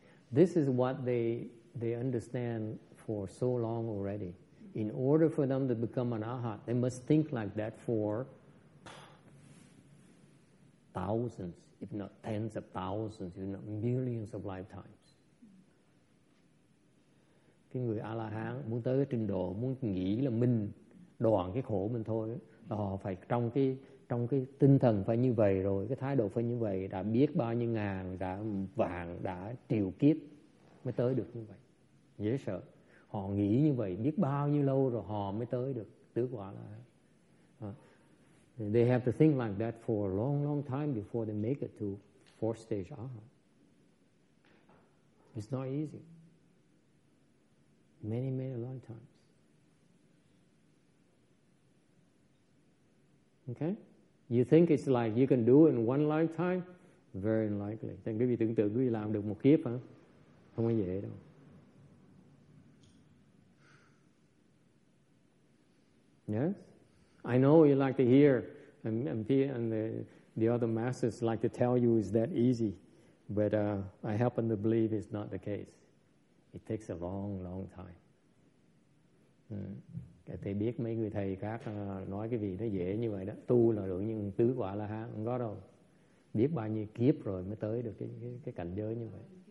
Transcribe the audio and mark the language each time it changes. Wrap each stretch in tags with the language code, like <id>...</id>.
<en>This is what they understand for so long already. In order for them to become an arhat, they must think like that for thousands, if not tens of thousands, if not millions of lifetimes.</en> <vi>Cái người A-la-hán muốn tới cái trình độ muốn nghĩ là mình đoạn cái khổ mình thôi, họ phải trong cái tinh thần phải như vậy rồi, cái thái độ phải như vậy, đã biết bao nhiêu ngàn, đã vạn, đã triệu kiếp mới tới được như vậy. Dễ sợ. Họ nghĩ như vậy biết bao nhiêu lâu rồi họ mới tới được tứ quả là.</vi> <en>They have to think like that for a long, long time before they make it to fourth stage arhat. It's not easy. Many, many lifetimes. Okay? You think it's like you can do it in one lifetime? Very unlikely.</en> <vi>Thì quý vị tưởng tượng quý vị làm được một kiếp hả? Không có dễ đâu.</vi> <en>Yes? I know you like to hear, and the other masters like to tell you it's that easy, but I happen to believe it's not the case. It takes a long, long time. Ừ.</en> <vi>Thầy biết mấy người thầy khác nói cái gì nó dễ như vậy đó, tu là được nhưng tứ quả là ha, không có đâu. Biết bao nhiêu kiếp rồi mới tới được cái cảnh giới như vậy.</vi>